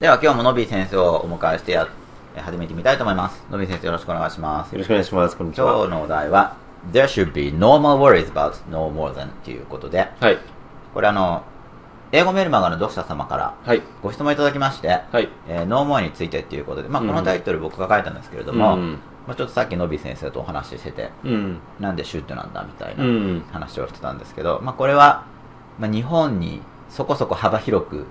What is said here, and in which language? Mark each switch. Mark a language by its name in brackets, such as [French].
[Japanese] では今日もノビー先生をお迎えして始めてみたいと思います。ノビー先生よろしくお願いします。よろしくお願いします。こんにちは。今日のお題は [English] There should be no more worries about no more than [Japanese] ということで、はい、これ英語メルマガの読者様からご質問いただきまして、はい、 No more についてということで、まあ、このタイトル僕が書いたんですけれども、うん、まあ、ちょっとさっきノビー先生とお話ししてて、うん、なんでシュートなんだみたいな話をしてたんですけど、まあ、これは、まあ、日本にそこそこ幅広く、